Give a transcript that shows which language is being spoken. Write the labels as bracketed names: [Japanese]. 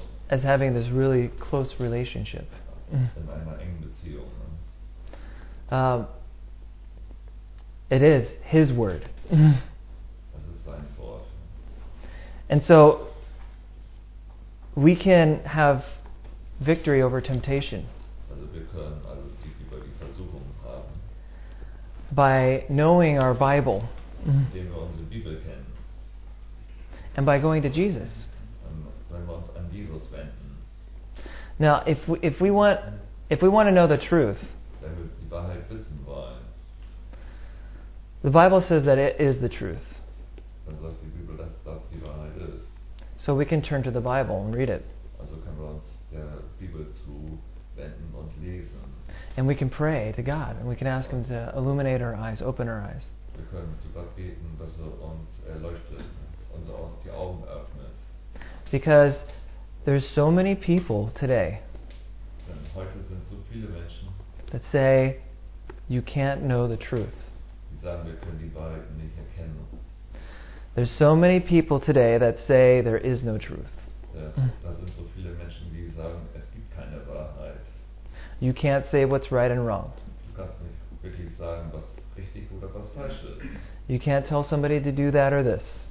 [English] this really close relationship. [German] In einer engen Beziehung, ne? [English] It is His word. [German] Das ist sein Wort. [English] And so we can have victory over temptation. [German] Also wir können also Sieg über die Versuchung haben. [English] By knowing our Bible. [German] Indem wir unsere Bibel kennen. [English] And by going to Jesus. [German] Und wenn wir uns an Jesus wenden. [English] Now, if we want to know the truth, [German] wenn wir die Wahrheit wissen wollen, [English] the Bible says that it is the truth. [German] Dann sagt die Bibel, dass das die Wahrheit ist. [English] So we can turn to the Bible and read it. [German] Also können wir uns der Bibel zuwenden und lesen. [English] And we can pray to God, and we can ask Him to illuminate our eyes, open our eyes. [German] Wir können zu Gott beten, dass er uns erleuchtet, uns auch die Augen öffnet. [English] Because there's so many people today. [German] Denn heute sind so viele Menschen. [English] That say you can't know the truth. [German] Die sagen, wir können die Wahrheit nicht erkennen. [English] There's so many people today that say there is no truth. [German] Da sind so viele Menschen, die sagen, es gibt keine Wahrheit. [English] You can't say what's right and wrong. [German] Du kannst nicht wirklich sagen, was richtig oder was falsch ist. [English] You can't tell somebody to do that or this.